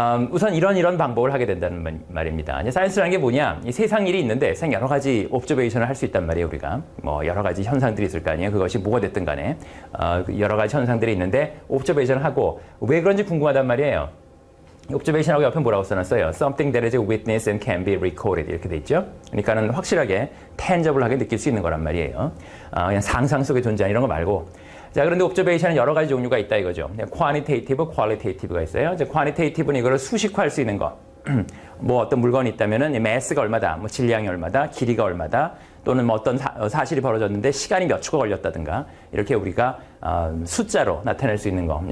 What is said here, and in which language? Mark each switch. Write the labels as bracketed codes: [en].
[ko] 우선 이런 방법을 하게 된다는 말입니다. 이제 사이언스라는 게 뭐냐? 이 세상 일이 있는데 세상 여러 가지 옵저베이션을 할 수 있단 말이에요. 우리가 뭐 여러 가지 현상들이 있을 거 아니에요. 그것이 뭐가 됐든 간에 여러 가지 현상들이 있는데 옵저베이션을 하고 왜 그런지 궁금하단 말이에요. 옵저베이션하고 옆에 뭐라고 써놨어요? [en] Something that is witnessed and can be recorded [ko] 이렇게 돼 있죠. 그러니까는 확실하게 tangible하게 느낄 수 있는 거란 말이에요. 그냥 상상 속의 존재 이런 거 말고. 자, 그런데 옵저베이션은 여러 가지 종류가 있다 이거죠. 퀀티테이티브, 퀄리테이티브가 있어요. 이제 퀀티테이티브는 이걸 수식화할 수 있는 거. 뭐 어떤 물건이 있다면은 매스가 얼마다, 뭐 질량이 얼마다, 길이가 얼마다, 또는 뭐 어떤 사실이 벌어졌는데 시간이 몇 초가 걸렸다든가 이렇게 우리가 숫자로 나타낼 수 있는 거.